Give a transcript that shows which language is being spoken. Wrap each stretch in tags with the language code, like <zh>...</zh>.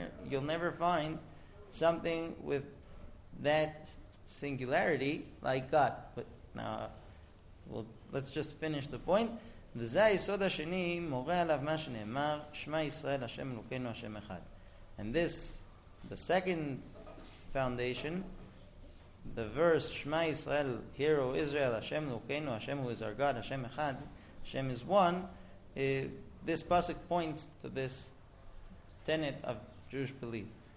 <en>You'll never find something with that singularity, like God. But now, let's just finish the point.</en> <he>וזה היסוד השני מורה עליו מה שנאמר, שמע ישראל, השם אלוקינו, השם אחד.</he> <en>And this, the second foundation, the verse,</en> <he>שמע ישראל,</he> <en>hear, O Israel,</en> <he>השם אלוקינו,</he> <en>השם who is our God,</en> <he>השם אחד,</he> <en>השם is one, this pasuk points to this tenet of Jewish belief.</en>